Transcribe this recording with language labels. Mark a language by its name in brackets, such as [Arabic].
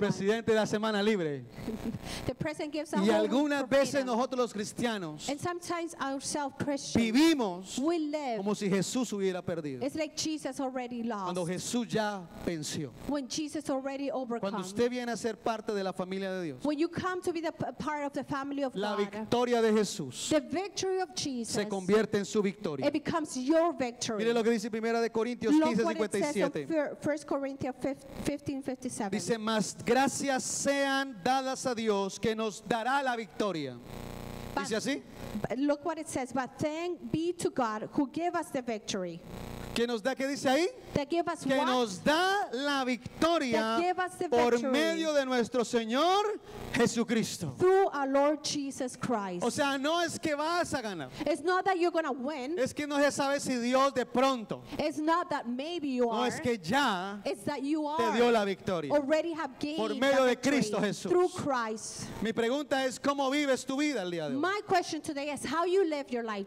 [Spanish] El presidente da semana libre. [English] The president gives a [Spanish] y algunas veces nosotros los cristianos [English] and sometimes ourselves Christians, [Spanish] vivimos [English] we live [Spanish] como si Jesús hubiera perdido. [English] It's like Jesus already lost. [Spanish] Cuando Jesús ya venció. [English] When Jesus already overcome. [Spanish] Cuando usted viene a ser parte de la familia de Dios. [English] When you come to be the part of the family of God. [Spanish] La victoria de Jesús. [English] The victory of Jesus. [Spanish] Se convierte en su victoria. [English] It becomes your victory. [Spanish] Mire lo que dice primera de Corintios 15:57. [English] First Corinthians 15:57. [Spanish] Dice, más gracias sean dadas a Dios que nos dará la victoria. Dice así. [English] Look what it says. But thank be to God who gave us the victory. [Spanish] que nos da, ¿qué dice ahí? Que nos da la victoria por medio de nuestro Señor Jesucristo. [English] Through our Lord Jesus Christ. [Spanish] O sea, no es que vas a ganar. [English] It's not that you're gonna win. [Spanish] Es que no se sabe si Dios de pronto. [English] It's not that maybe you are. [Spanish] No, es que ya te dio la victoria. [English] Already have gained [Spanish] por medio de Cristo Jesús. [English] Through Christ. [Spanish] Mi pregunta es, ¿cómo vives tu vida el día de hoy? [English] My question today is how you live your life.